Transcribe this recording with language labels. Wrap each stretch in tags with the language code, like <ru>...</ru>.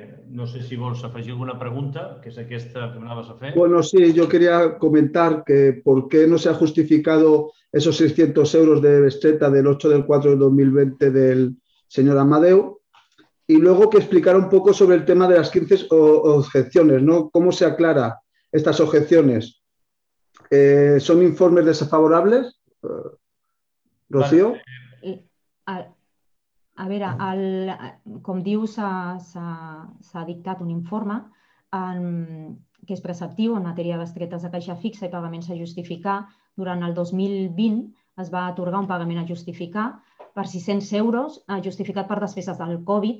<ca>No sé si vols afegir alguna pregunta, que és aquesta que anaves a fer.</ca> <es>Bueno, sí, yo quería comentar que por qué no se ha justificado esos 600 euros de bestreta del 8/4/2020 del señor Amadeu. Y luego que explicara un poco sobre el tema de las 15 objeciones, ¿no? ¿Cómo se aclara estas objeciones? ¿Son informes desfavorables, Rocío? Vale.</es> <ca>A veure, com diu, s'ha dictat un informe que és preceptiu en matèria de bestretes de caixa fixa i pagaments a justificar. Durant el 2020 es va atorgar un pagament a justificar per 600 euros, justificat per despeses del Covid.</ca>